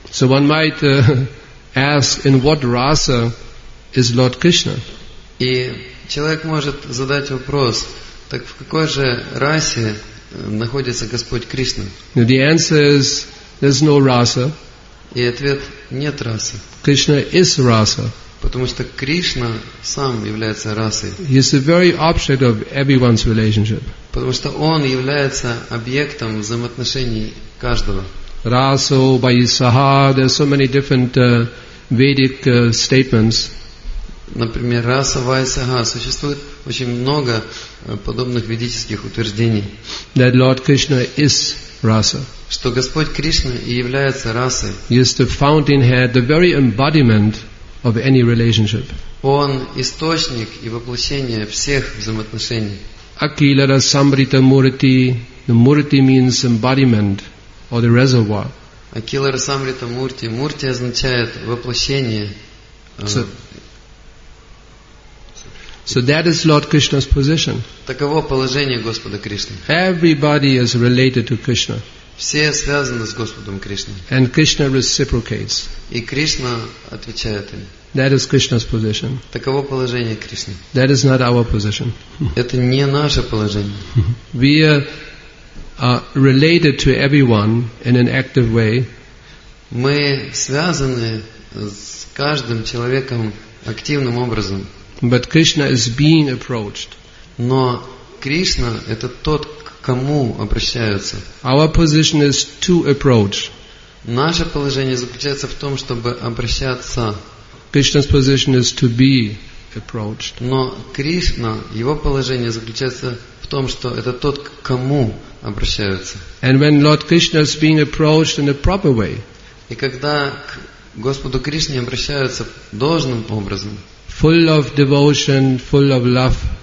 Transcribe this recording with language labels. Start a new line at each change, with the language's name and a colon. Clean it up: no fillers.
English: So one might ask, in what rasa is Lord Krishna?
Russian: И человек может задать вопрос, так в какой же расе находится Господь Кришна?
English: And the answer is, there's no rasa.
Russian: И ответ нет расы.
English: Krishna is rasa.
Russian: Потому что Кришна сам является расой.
English: He is the very object of everyone's relationship.
Russian: Потому что он является объектом взаимоотношений каждого.
English: Rasa, Vaisaha, there are so many different Vedic statements.
Russian: Например, раса Вайсаха, существует очень много подобных ведических утверждений.
English: That Lord Krishna is rasa.
Russian: Что Господь Кришна и является расой.
English: He is the fountainhead, the very embodiment of any relationship.
Russian: Он источник и воплощение всех взаимоотношений.
Sanskrit: Akila Rasamrita Murti.
English: The Murti means embodiment or the reservoir.
Sanskrit: Akila Rasamrita Murti.
Russian: Murti означает воплощение.
English: So that is Lord Krishna's position.
Russian: Таково положение Господа Кришны.
English: Everybody is related to Krishna.
Russian: Все связаны с Господом Кришной.
English: And Krishna reciprocates.
Russian: И Кришна отвечает им.
English: That is Krishna's position.
Russian: Таково положение Кришны.
English: That is not our position.
Russian: Это не наше положение.
English: We are related to everyone in an active way.
Russian: Мы связаны с каждым человеком активным образом.
English: But Krishna is being approached.
Russian: Но Кришна – это тот, к кому обращаются.
English: Our position is to approach.
Russian: Наше положение заключается в том, чтобы обращаться.
English: Krishna's position is to be approached.
Russian: Но Кришна, его положение заключается в том, что это тот, к кому обращаются.
English: And when Lord Krishna is being approached in a proper way.
Russian: И когда к Господу Кришне обращаются должным образом.
English: Full of devotion, full of love.